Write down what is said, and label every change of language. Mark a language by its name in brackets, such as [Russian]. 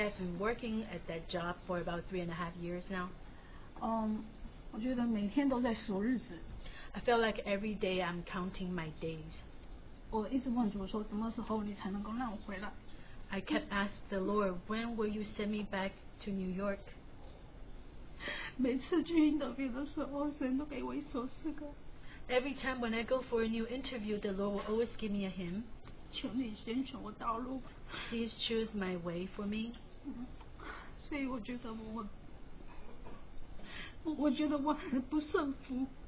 [English] I've been working at that job for about 3.5 years now. [Chinese] 我觉得每天都在数日子。 [English] I feel like every day I'm counting my days. [Chinese] 我一直问主说，什么时候你才能够让我回来？ [English] I kept asking the Lord, when will you send me back to New York? [Chinese] 每次去应征的时候，神都给我一首诗歌。 [English] Every time when I go for a new interview, the Lord will always give me a hymn. [Chinese] 求你拣选我道路。 [English] Please choose my way for me. [Chinese] 所以我觉得我觉得我很不顺服。